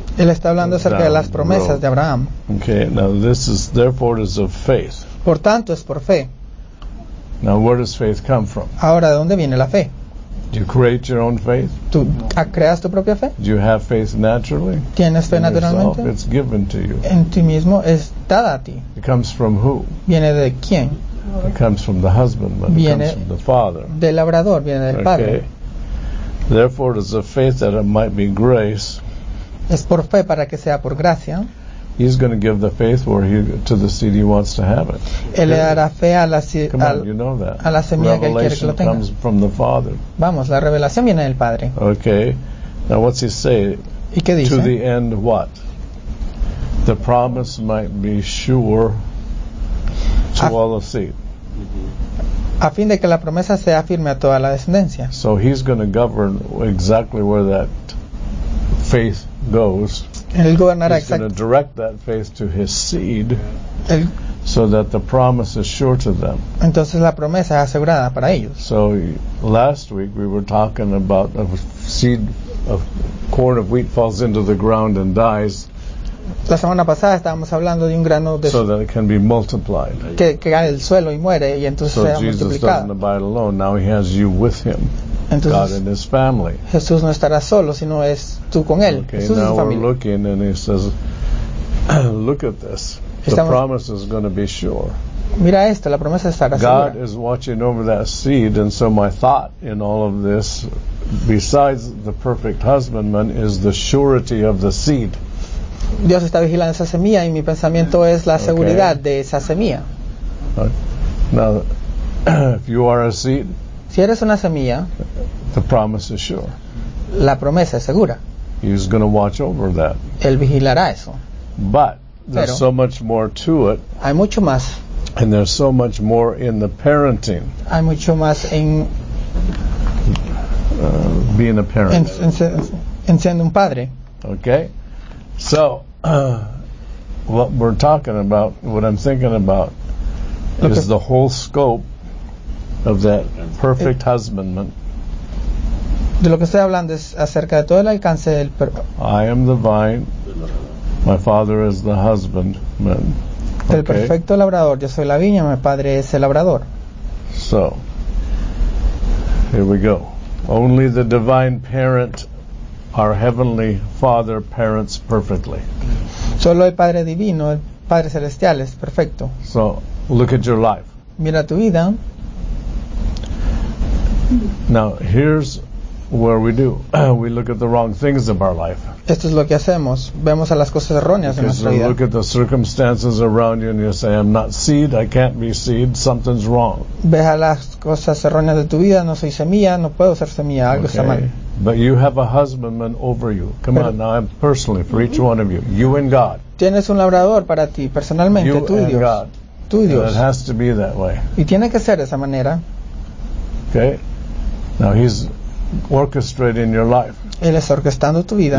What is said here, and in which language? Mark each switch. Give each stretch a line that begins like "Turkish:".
Spanish: Él está hablando acerca de las promesas de Abraham.
English: Okay. Now this is therefore it is of faith.
Spanish: Por tanto es por fe.
English: Now where does faith come from?
Spanish: Ahora, ¿de dónde viene la fe?
English: Do you create your own faith?
Spanish: ¿Tú creas tu propia fe?
English: Do you have faith naturally?
Spanish: ¿Tienes fe naturalmente?
English: Yourself? It's given to you.
Spanish: En ti mismo es dada a ti.
English: It comes from who?
Spanish: ¿Viene de quién?
English: It comes from the husbandman.
Spanish: Viene,
English: it comes from the father.
Spanish: Del labrador, viene del
English: okay.
Spanish: Padre.
English: Therefore, it is a faith that it might be grace.
Spanish: Es por fe para que sea por gracia.
English: He's going to give the faith where he to the seed he wants to have it.
Spanish: Él le dará fe a la semilla.
English: Come on, you know that.
Spanish: A la semilla que él quiere que lo tenga.
English: Revelation comes from the father.
Spanish: Vamos, la revelación viene del padre.
English: Okay. Now, what's he say?
Spanish: ¿Y qué dice?
English: To the end, what? The promise might be sure. To all the seed.
Spanish: A fin de que la promesa sea firme a toda la descendencia.
English: So he's going to govern exactly where that faith goes.
Spanish: Él gobernará exactamente.
English: He's going to direct that faith to his seed, so that the promise is sure to them.
Spanish: Entonces la promesa es asegurada para ellos.
English: So last week we were talking about a seed of corn of wheat falls into the ground and dies.
Spanish: La semana pasada estábamos hablando de un grano de
English: so that it can be multiplied.
Spanish: Que cae el suelo y muere y entonces
English: so
Spanish: sea
English: Jesus
Spanish: multiplicado.
English: Doesn't abide alone. Now he has you with him.
Spanish: Entonces,
English: God and his family.
Spanish: Jesús no estará solo, sino es tú con él.
English: Okay,
Spanish: Jesús
English: now
Spanish: es su
English: we're looking and he says, look at this. The promise is going to be sure.
Spanish: Mira esto, la promesa estará segura.
English: God is watching over that seed, and so my thought in all of this, besides the perfect husbandman, is the surety of the seed.
Spanish: Dios está vigilando esa semilla y mi pensamiento es la seguridad
English: okay.
Spanish: De esa semilla.
English: Now, if you are a seed,
Spanish: si eres una semilla,
English: the promise is sure.
Spanish: La promesa es segura.
English: He's going to watch over that.
Spanish: Él vigilará eso.
English: But there's
Spanish: pero,
English: so much more to it.
Spanish: Hay mucho más.
English: And there's so much more in the parenting.
Spanish: Hay mucho más en
English: being a parent.
Spanish: En siendo un padre.
English: Okay. So, what we're talking about, what I'm thinking about, okay. Is the whole scope of that perfect husbandman.
Spanish: De lo que estoy hablando es acerca de todo el alcance del.
English: I am the vine. My father is the husbandman.
Spanish: Okay. El perfecto labrador. Yo soy la viña. Mi padre es el labrador.
English: So, here we go. Only the divine parent our Heavenly Father parents perfectly.
Spanish: Solo el Padre Divino, el Padre Celestial es perfecto.
English: So, look at your life.
Spanish: Mira tu vida.
English: Now, here's where we do. We look at the wrong things of our life.
Spanish: Esto es lo que hacemos. Vemos a las cosas erróneas en nuestra vida.
English: You look at the circumstances around you and you say, I'm not seed, I can't be seed, something's wrong.
Spanish: Ve a las cosas erróneas de tu vida, no soy semilla, no puedo ser semilla, algo está mal.
English: But you have a husbandman over you. Come on, now, I'm personally, for each one of you, you and God.
Spanish: Tienes un labrador para ti, personalmente,
English: you
Spanish: tú y Dios.
English: God.
Spanish: Tú y Dios.
English: And it has to be that way.
Spanish: Y tiene que ser de esa manera.
English: Okay. Now he's orchestrating your life.
Spanish: Él está orquestando tu vida.